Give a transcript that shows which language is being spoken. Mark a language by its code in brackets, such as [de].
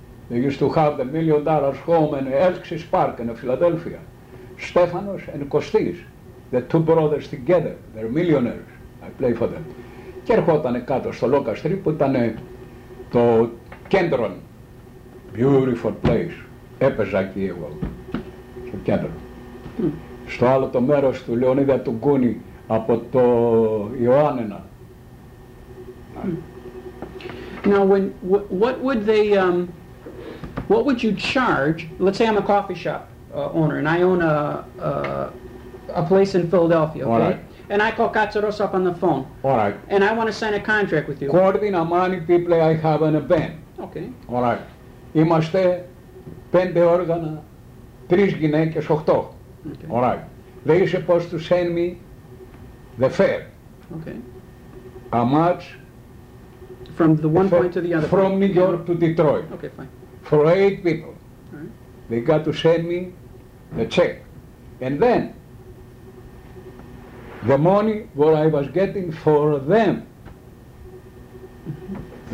[en] They used to have the $1 million home in Elks Park in Philadelphia. Stefanos and Costis, the two brothers together, they're millionaires. I play for them. [el] Και ερχόταν κάτω στο Locust Street που ήταν το κέντρο. [en] Beautiful place. [el] Έπαιζα εκεί εγώ. Στο κέντρο. Στο άλλο το μέρος του Λεωνίδα του Γκούνι από το Ιωάννενα. [en] Now, what would you charge? Let's say I'm a coffee shop owner and I own a place in Philadelphia, okay? All right. And I call Katsaros up on the phone. All right. And I want to sign a contract with you. According to how many people I have in a band. Okay. All right. [el] Είμαστε πέντε όργανα, τρεις γυναίκες, οχτώ. [en] All right. They are supposed to send me the fare. Okay. How much? From the one point to the other. From New York to Detroit. Okay, fine. For eight people, right. They got to send me the check. And then, the money what I was getting for them, mm-hmm.